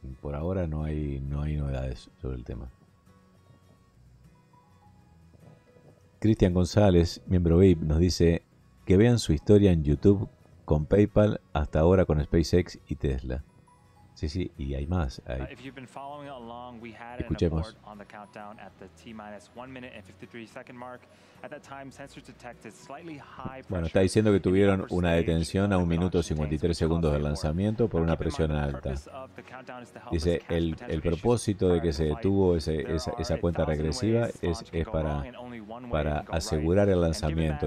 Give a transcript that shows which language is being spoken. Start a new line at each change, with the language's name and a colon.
Spanish: Por ahora no hay novedades sobre el tema. Cristian González, miembro VIP, nos dice que vean su historia en YouTube con PayPal, hasta ahora con SpaceX y Tesla. Sí, y hay más. Hay...
English: If you've been following along, we had
Spanish: Escuchemos.
English: An abort on the countdown at the T-minus 1 minute and 53 second mark. At that time, sensors detected slightly high pressure.
Spanish: Bueno, está diciendo que tuvieron una detención a 1 minuto 53 segundos del lanzamiento por una presión alta. Dice, el propósito de que se detuvo esa cuenta regresiva es para asegurar el lanzamiento.